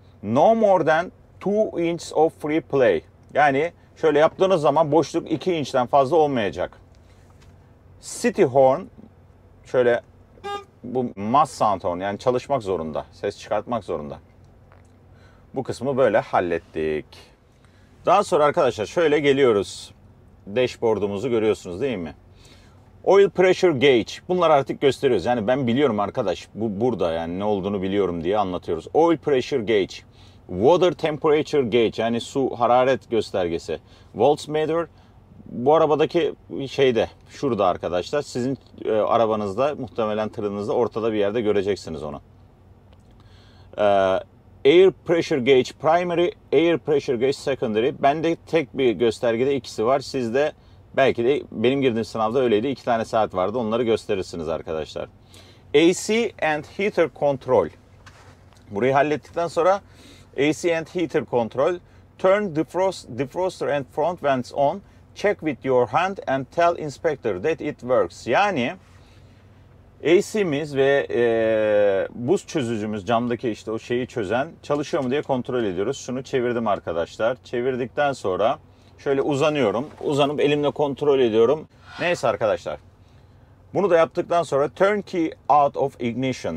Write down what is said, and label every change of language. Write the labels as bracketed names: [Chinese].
[English] No more than 2 inches of free play. [Turkish] Yani şöyle yaptığınız zaman boşluk 2 inçten fazla olmayacak. [English] City horn. [Turkish] Şöyle bu [English] must sound horn. [Turkish] Yani çalışmak zorunda. Ses çıkartmak zorunda. Bu kısmı böyle hallettik. Daha sonra arkadaşlar şöyle geliyoruz. Dashboard'umuzu görüyorsunuz değil mi? Oil pressure gauge. Bunları artık gösteriyoruz. Yani ben biliyorum arkadaş. Bu burada, yani ne olduğunu biliyorum diye anlatıyoruz. [English] Oil pressure gauge. Water temperature gauge. [Turkish] Yani su hararet göstergesi. Voltmeter. Bu arabadaki şeyde. Şurada arkadaşlar. Sizin arabanızda, muhtemelen tırınızda ortada bir yerde göreceksiniz onu. [English] Air pressure gauge. Primary air pressure gauge. Secondary. [Turkish] Bende tek bir göstergede ikisi var. Sizde belki de, benim girdiğim sınavda öyleydi. İki tane saat vardı. Onları gösterirsiniz arkadaşlar. [English] AC and heater control. [Turkish] Burayı hallettikten sonra [English] AC and heater control. Turn defroster and front vents on. Check with your hand and tell inspector that it works. [Turkish] Yani AC'miz ve buz çözücümüz, camdaki işte o şeyi çözen, çalışıyor mu diye kontrol ediyoruz. Şunu çevirdim arkadaşlar. Çevirdikten sonra şöyle uzanıyorum. Uzanıp elimle kontrol ediyorum. Neyse arkadaşlar. Bunu da yaptıktan sonra [English] turn key out of ignition.